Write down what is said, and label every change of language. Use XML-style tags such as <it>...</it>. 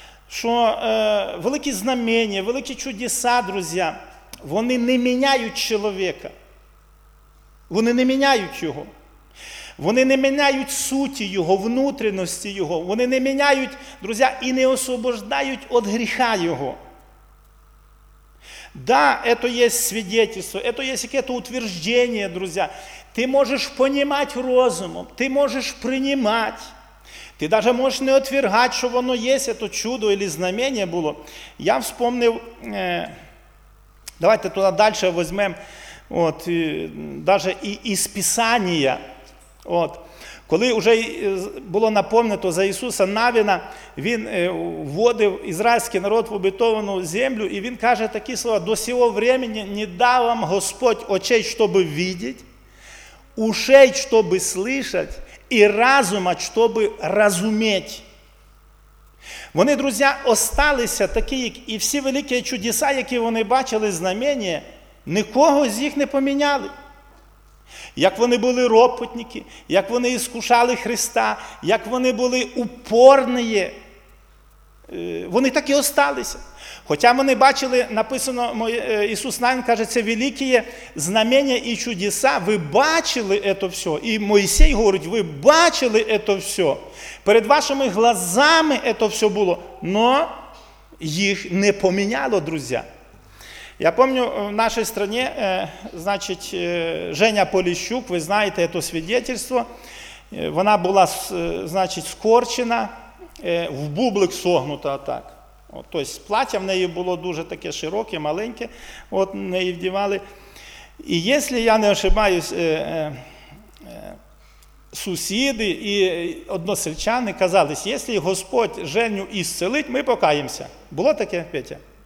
<uk>що великі знамення, великі чудеса, друзі, вони не міняють чоловіка. Вони не міняють його. Вони не міняють суті його, внутрішності його. Вони не міняють, друзі, і не освобождають від гріха його.</uk> <ru>Да, это есть свидетельство, это есть какое-то утверждение, друзья. Ты можешь понимать разумом, ты можешь принимать. Ты даже можешь не отвергать, что оно есть, это чудо или знамение было. Я вспомнил, давайте туда дальше возьмем, вот, даже и из Писания. Вот.</ru> <uk>Коли уже було напомнено за Ісуса Навіна, він вводив ізраїльський народ в обітовану землю, і він каже такі слова: «До сього времени не дав вам Господь очей, щоб видіть, ушей, щоб слышати, і разума, щоб розуміти». Вони, друзі, осталися такі, як і всі великі чудеса, які вони бачили, знамення, нікого з їх не поміняли. Як вони були ропотники, як вони іскушали Христа, як вони були упорні, вони так і осталися. Хоча вони бачили, написано, Ісус Навін каже, це великі знамення і чудеса, ви бачили це все. І Мойсей говорить, ви бачили це все, перед вашими глазами це все було, але їх не поміняло, друзі.</uk> <ru>Я помню, в нашей стране, значит, Женя Поліщук, вы знаете это свидетельство, вона была, значит, скорчена, в бублик согнута так.</ru> <uk>От,</uk> <ru>то есть платье</ru> <uk>в неї було дуже таке широке, маленьке, от неї вдівали. І якщо я не ошибаюсь, сусіди і односельчани казались, якщо Господь Женю ісцелить, ми покаємося. Було таке, Петя?</uk>